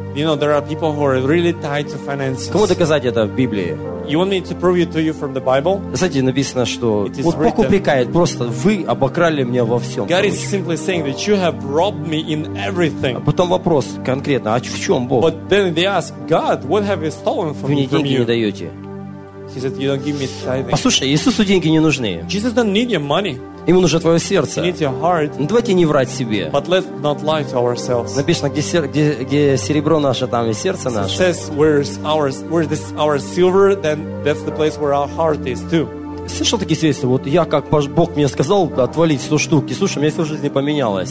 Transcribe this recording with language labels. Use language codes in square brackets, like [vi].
[en] You know, there are people who are really tied to finances. [ru] Кому доказать это в Библии? [en] You want me to prove it to you from the Bible? [ru] Знаете, написано, что вот Бог упрекает, просто вы обокрали меня во всем. [en] God is simply saying that you have robbed me in everything. [ru] А потом вопрос конкретно, а в чем Бог? [en] But then they ask, God, what have you stolen from you? [ru] Вы мне деньги не даете. [en] He said, you don't give me tithing. [ru] Послушай, Иисусу деньги не нужны. [en] Jesus doesn't need your money. [ru] Ему нужно твое сердце. [en] He needs your heart. [ru] Ну, давайте не врать себе. [en] But let's not lie to ourselves. [ru] Написано, где серебро наше, там и сердце наше. [en] It says, where's our silver, then that's the place where our heart is too. [ru] Слышал такие свидетельства? Вот я, как Бог мне сказал, отвалить 100 штук. И слушай, у меня вся жизнь не поменялась.